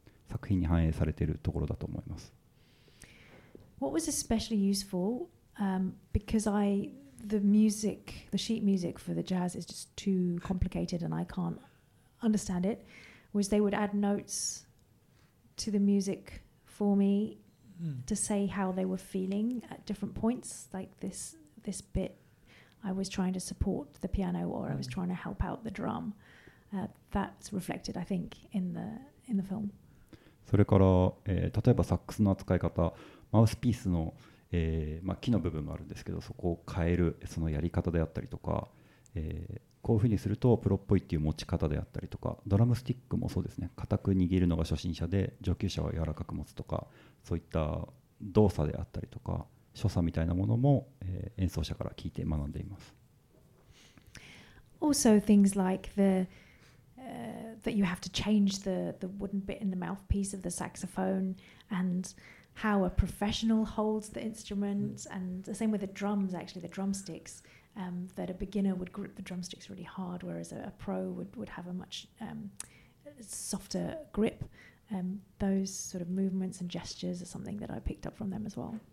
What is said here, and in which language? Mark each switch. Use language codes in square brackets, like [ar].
[ja] 作品に反映されているところだと思います。 [en] What was especially useful、because the music, the sheet music for the jazz is just too complicated and I can't understand it, was they would add notes to the music for me to say how they were feeling at different points, like this bit I was trying to support the piano or I was trying to help out the drum、that's reflected I think in the film [ja] それから、例えばサックスの扱い方マウスピースの、木の部分があるんですけどそこを変えるそのやり方であったりとか、こういうふうにするとプロっぽいっていう持ち方であったりとかドラムスティックもそうですね固く握るのが初心者で上級者は柔らかく持つとかそういった動作であったりとか所作みたいなものも、演奏者から聞いて学んでいます。 [en] Also things like the、that you have to change the wooden bit in the mouthpiece of the saxophone and how a professional holds the instrument、mm. and the same with the drums actually, the drumsticks、that a beginner would grip the drumsticks really hard whereas a pro would have a much、softer grip.、those sort of movements and gestures are something that I picked up from them as well.、